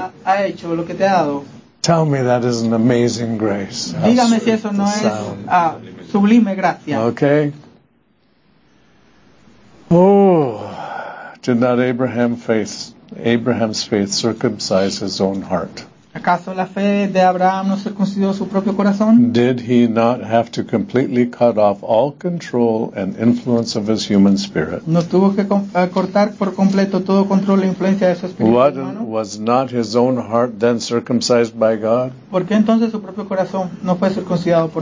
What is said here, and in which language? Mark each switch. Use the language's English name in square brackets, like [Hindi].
[Spanish] Ha hecho, lo que te ha dado. [English] Tell me that is an amazing grace. [Spanish] Dígame si eso no es sublime gracia. [English] Okay. Oh, did not Abraham's faith circumcise his own heart? [Spanish] ¿Acaso la fe de Abraham no circuncidó su propio corazón? [English] Did he not have to completely cut off all control and influence of his human spirit? [Spanish] ¿No tuvo que cortar por completo todo control e influencia de su espíritu humano? [English] What was not his own heart then circumcised by God? [Spanish] ¿Por qué entonces su propio corazón no fue circuncidado por